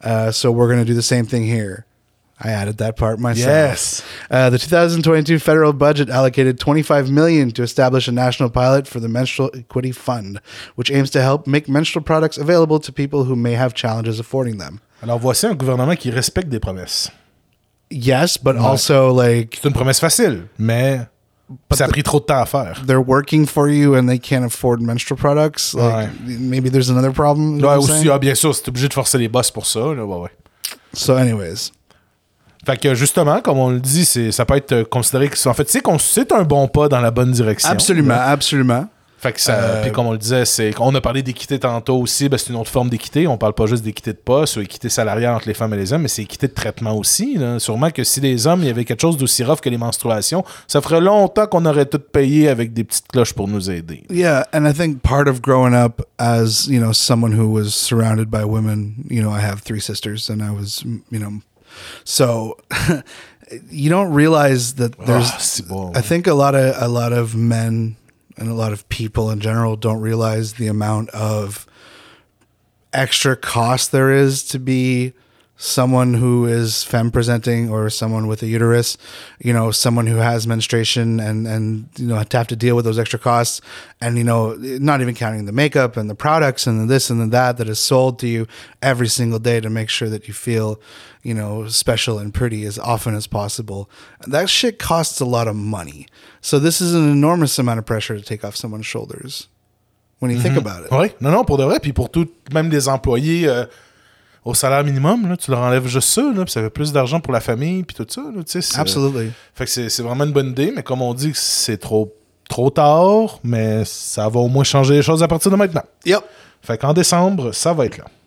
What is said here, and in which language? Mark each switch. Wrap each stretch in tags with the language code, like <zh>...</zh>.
<en>So we're going to do the same thing here. I added that part myself. Yes. The 2022 federal budget allocated $25 million to establish a national pilot for the Menstrual Equity Fund, which aims to help make menstrual products available to people who may have challenges affording them.</en> <fr>Alors voici un gouvernement qui respecte des promesses.</fr> <en>Yes, but</en> <fr>ouais.</fr> <en>Also like...</en> <fr>C'est une promesse facile, mais...</fr> <en>But</en> <fr>ça a pris trop de temps à faire.</fr> <en>They're working for you and they can't afford menstrual products. Like,</en> <fr>ouais.</fr> <en>Maybe there's another problem.</en> <fr>Ouais, aussi, ah, bien sûr, c'est obligé de forcer les boss pour ça. Là, bah ouais.</fr> <en>So anyways.</en> <fr>Fait que justement, comme on le dit, ça peut être considéré que en fait, c'est un bon pas dans la bonne direction. Absolument, ouais. Absolument. Fait que ça, puis comme on le disait, on a parlé d'équité tantôt aussi, ben c'est une autre forme d'équité. On parle pas juste d'équité de poste ou équité salariale entre les femmes et les hommes, mais c'est équité de traitement aussi. Là. Sûrement que si les hommes, il y avait quelque chose d'aussi rough que les menstruations, ça ferait longtemps qu'on aurait tout payé avec des petites cloches pour nous aider.</fr> <en>Yeah, and I think part of growing up as, you know, someone who was surrounded by women, you know, I have three sisters and I was, you know, so... you don't realize that there's...</en> <fr>Oh, c'est bon.</fr> <en>I think a lot of men... And a lot of people in general don't realize the amount of extra cost there is to be someone who is femme presenting or someone with a uterus, you know, someone who has menstruation and you know, to have to deal with those extra costs and, you know, not even counting the makeup and the products and the this and the that that is sold to you every single day to make sure that you feel, you know, special and pretty as often as possible. That shit costs a lot of money. So this is an enormous amount of pressure to take off someone's shoulders when you mm-hmm. think about it.</en> <fr>Oui, non, non, pour de vrai. Puis pour tout, même des employés... au salaire minimum, là, tu leur enlèves juste ça, là, puis ça fait plus d'argent pour la famille, puis tout ça. Là, tu sais, c'est...</fr> <en>Absolutely.</en> <fr>Fait que c'est vraiment une bonne idée, mais comme on dit, c'est trop tard, mais ça va au moins changer les choses à partir de maintenant.</fr> <en>Yep.</en> <fr>Fait qu'en décembre, ça va être là.</fr>